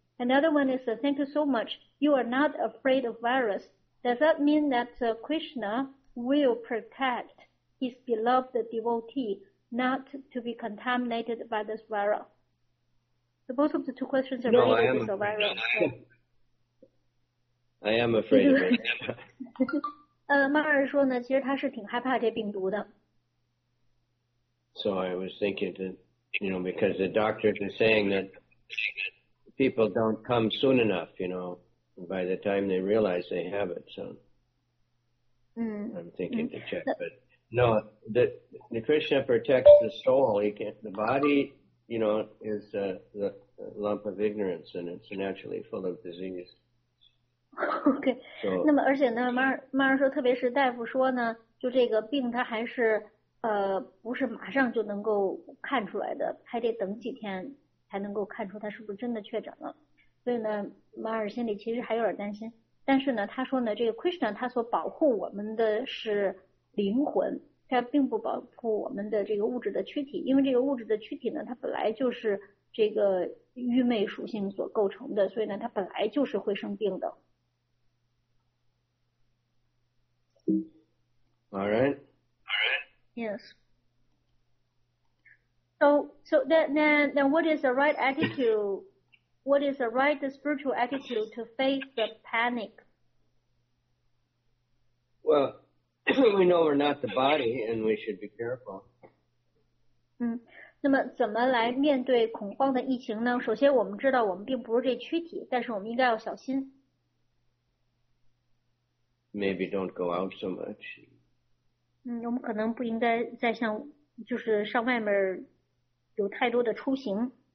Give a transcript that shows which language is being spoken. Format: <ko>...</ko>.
<en>Another one is, thank you so much, you are not afraid of virus. Does that mean that, Krishna will protect? His beloved devotee, not to be contaminated by this virus. So both of the 2 questions are related to the virus. I am afraid of it.</en> <zh>马尔说呢，其实他是挺害怕这病毒的。</zh> <en>So I was thinking that, you know, because the doctors are saying that people don't come soon enough, you know, by the time they realize they have it. So I'm thinking to check, but. No, the Krishna protects the soul. He can't, the body, you know, is the lump of ignorance, and it's naturally full of disease. Okay.</en> <zh>So, 那么而且呢，马尔说，特别是大夫说呢，就这个病它还是不是马上就能够看出来的，还得等几天才能够看出他是不是真的确诊了。所以呢，马尔心里其实还有点担心。但是呢，他说呢，这个 Krishna 他所保护我们的是。灵魂它并不包括我们的这个物质的躯体，因为这个物质的躯体呢，它本来就是这个愚昧属性所构成的，所以呢，它本来就是会生病的。</zh> <en>All right. Yes. So then, what is the right attitude? What is the right spiritual attitude to face the panic? Well. we know we're not the body and we should be careful.</en> <zh>那么怎么来面对恐慌的疫情呢？首先我们知道我们并不是这躯体，但是我们应该要小心。</zh> <en>Maybe don't go out so much.</en> <zh>我们可能不应该再像就是上外面有太多的出行。</zh>